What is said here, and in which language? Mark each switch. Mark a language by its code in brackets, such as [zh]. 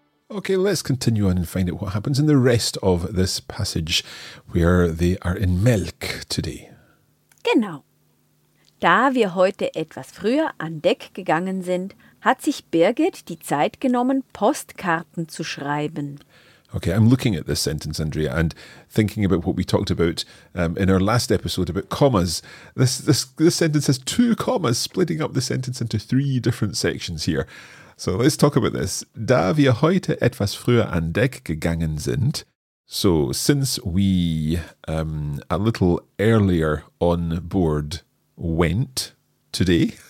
[en] Okay, let's continue on and find out what happens in the rest of this passage where they are in Melk today. [de] Genau. Da wir heute etwas früher an Deck gegangen sind, hat sich Birgit die Zeit genommen, Postkarten zu schreiben. [en] Okay, I'm looking at this sentence, Andrea, and thinking about what we talked about in our last episode about commas. This sentence has two commas, splitting up the sentence into three different sections here. So let's talk about this. [de] Da wir heute etwas früher an Deck gegangen sind, [en] so since we a little earlier on board went today.